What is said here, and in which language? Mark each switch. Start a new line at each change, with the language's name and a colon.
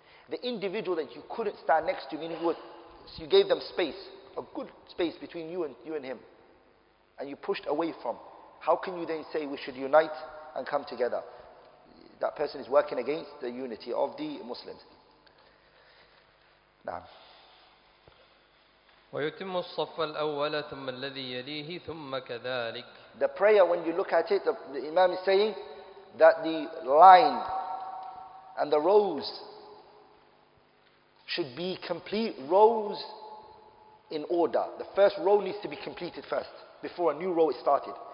English: The individual that you couldn't stand next to, meaning you gave them space, a good space between you and him, and you pushed away from, how can you then say we should unite and come together? That person is working against the unity of the Muslims. Now,
Arabic: ويتم الصف الأول ثم الذي يليه ثم كذلك.
English: The prayer, when you look at it, the Imam is saying that the line and the rows should be complete rows in order. The first row needs to be completed first before a new row is started.